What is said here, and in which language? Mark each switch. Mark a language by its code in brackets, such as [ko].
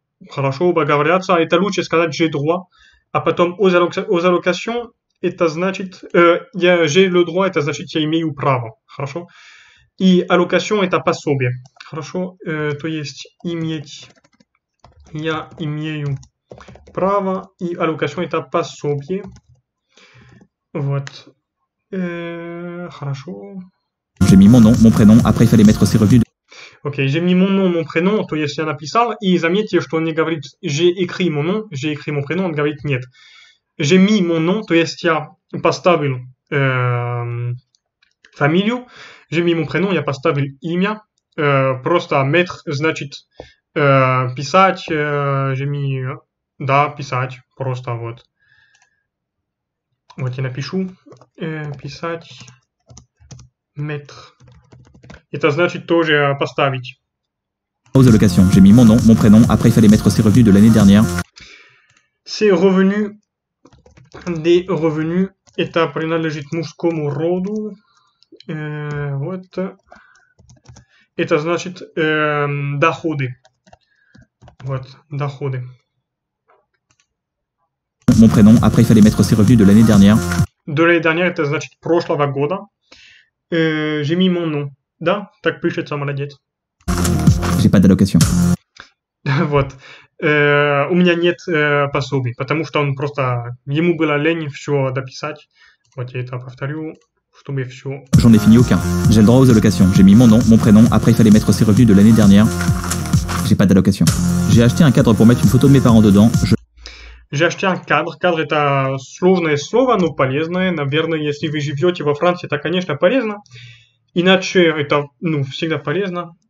[ru] Хорошо, оба говорят ça. Это лучше сказать [fr] j'ai droit. [ru] А потом о залокасьон это значит я [fr] j'ai le droit, [ru] это значит я имею право, хорошо? И allocation это пособие, хорошо? То есть иметь, я имею право, и allocation это пособие. Вот. Хорошо. [fr] J'ai mis mon nom, mon прénom, après il fallait mettre ses revenus. Ok, j'ai mis mon nom, mon prénom, [ru] то есть я написал, и заметьте, что он не говорит [fr] j'ai écrit mon nom, j'ai écrit mon prénom, [ru] он говорит нет. [fr] J'ai mis mon nom, [ru] то есть я поставил фамилию, [fr] j'ai mis mon prénom, [ru] я поставил имя, просто mettre, значит, писать, j'ai mis, да, писать, просто вот. Вот я напишу, писать, mettre. Это значит тоже поставить. [fr] Aux allocations, j'ai mis mon nom, mon prénom, après il fallait mettre ses revenus de l'année dernière. [ru] Ses revenus, des revenus, это принадлежит мужскому роду. Вот. Это значит доходы. Вот, доходы. [fr] Mon prénom, après il fallait mettre ses revenus de l'année dernière. [ru] De l'année dernière, это значит прошлого года. [fr] J'ai mis mon nom. [ru] Да, так пишется, молодец. [fr] J'ai pas d'allocation. [ru] Вот. У меня нет пособий, потому что он просто... Ему было лень все дописать. Вот я это повторю, чтобы все... [fr] J'en ai fini aucun. J'ai le droit aux allocations. J'ai mis mon nom, mon prénom. Après, il fallait mettre ses revenus de l'année dernière. J'ai pas d'allocation. J'ai acheté un cadre pour mettre une photo de mes parents dedans. J'ai acheté un cadre. [ru] Cadre, это сложное слово, но полезное. Наверное, если вы живете во Франции, это, конечно, полезно. Иначе это, ну, всегда полезно.